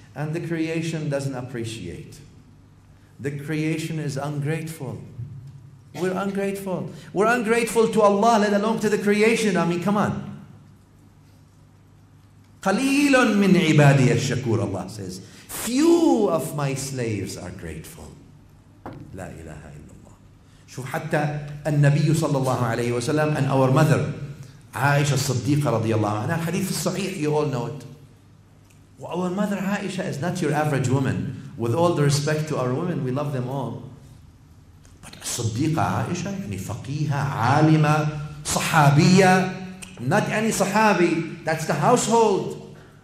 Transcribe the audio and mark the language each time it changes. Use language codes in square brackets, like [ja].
[en] And the creation doesn't appreciate. The creation is ungrateful. We're ungrateful. We're ungrateful to Allah, let alone to the creation. I mean, come on. [ar] قَلِيلٌ مِّنْ عِبَادِيَ الشَّكُورُ [en] Allah says, few of my slaves are grateful. [ar] لا إله إلا الله. شوف حتى النبي صلى الله عليه وسلم [en] and our mother, [ar] عائشة الصديقة رضي الله عنها. الحديث الصحيح, [en] you all know it. Our mother Aisha is not your average woman. With all the respect to our women, we love them all. But as-siddiqa Aisha, yani faqiha, alima, sahabiya, not any sahabi, that's the household.